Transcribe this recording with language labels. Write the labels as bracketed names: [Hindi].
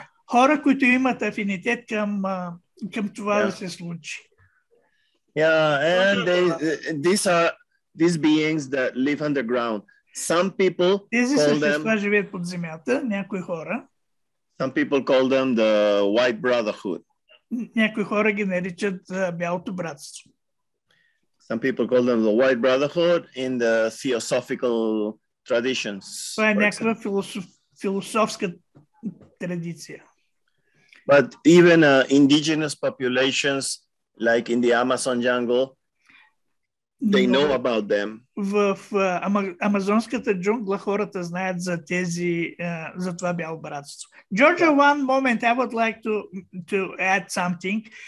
[Bulgarian] Хора, които имат афинитет към това да се случи. [English] Yeah, and these are these beings that live underground. Some people call them. [Bulgarian] Тези същества живеят под земята, някои хора. [English] Some people call them the White Brotherhood. [Bulgarian] Някои хора ги наричат Бялото братство. [English] Some people call them the White Brotherhood in the theosophical traditions. [Bulgarian] Това е някаква философска традиция. [English] But even indigenous populations, like in the Amazon jungle, they know about them. [Bulgarian] В амазонската джунгла хората знаят за тези за това бяло братство. [English] Georgia, one moment, I would like to add something.